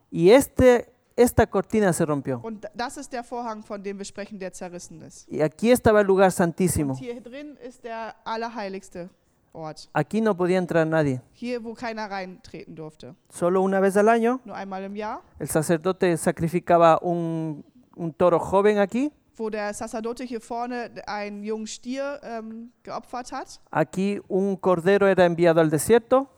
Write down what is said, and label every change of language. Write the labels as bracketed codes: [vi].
[es] Y esta cortina se rompió. [de] Und das ist der Vorhang, von dem wir sprechen, der zerrissen ist. [es] Y aquí estaba el lugar santísimo. [de] Und hier drin ist der allerheiligste Ort. [es] Aquí no podía entrar nadie. [de] Hier, wo keiner reintreten durfte. [es] Solo una vez al año, [de] nur einmal im Jahr, [es] el sacerdote sacrificaba un toro joven aquí. [de] Wo der Sacerdote hier vorne einen jungen Stier geopfert hat. [es] Aquí un cordero era enviado al desierto.